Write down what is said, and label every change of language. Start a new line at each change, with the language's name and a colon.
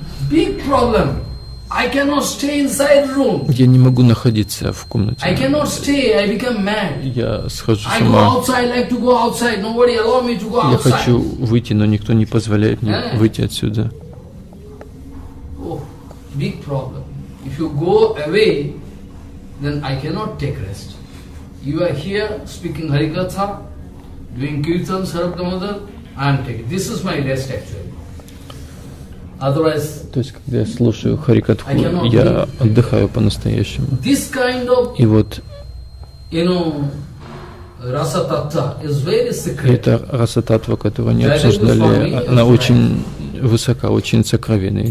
English: Big problem. I cannot stay inside room.
Russian: Я не могу находиться в комнате.
English: I cannot stay. I become mad.
Russian: Я схожу с ума.
English: I go outside. I like to go outside. Nobody allow me to go outside.
Russian: Я хочу выйти, но никто не позволяет мне выйти отсюда.
English: Oh, big problem. If you go away, then I cannot take rest. You are here speaking Harikatha, doing Kirtan, Sarab Damodar. I am taking. This is my rest actually.
Russian: То есть, когда я слушаю харикатху, я отдыхаю по-настоящему. И вот эта раса-таттва, которую они обсуждали, она очень высока, очень сокровенная.